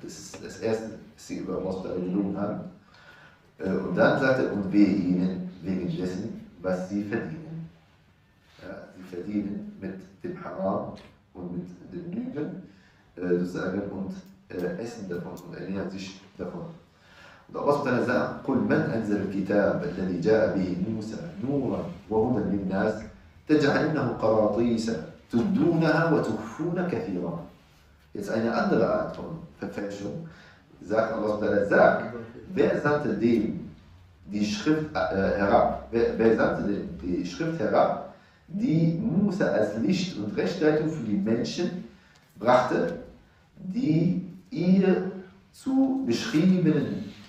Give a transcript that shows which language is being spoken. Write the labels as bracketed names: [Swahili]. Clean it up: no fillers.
[German] Das ist das Erste, was sie über Allah Ta'ala gelogen haben. Und dann sagte er, und wehe ihnen wegen dessen, was sie verdienen. Ja, sie verdienen mit dem Haram und mit den Lügen sozusagen und essen davon und ernähren sich davon. Und Allah Ta'ala sagt, [Arabic] قُلْ مَنْ أَنْزَلَ الْكِتَابَ الَّذِي جَاءَ بِهِ مُوسَى نُورًا وَهُدًى لِلنَّاسِ تَجْعَلِنَّهُ قَرَاطِيسَ تُدُّونَهَا وَتُخْفُونَ كَثِيرًا. [German] Jetzt eine andere Art von Verfälschung. Sagt Allah Ta'ala, sag, wer sandte dem die Schrift herab? Wer sandte dem die Schrift herab, die Musa als Licht und Rechtleitung für die Menschen brachte, die ihr zu beschriebenen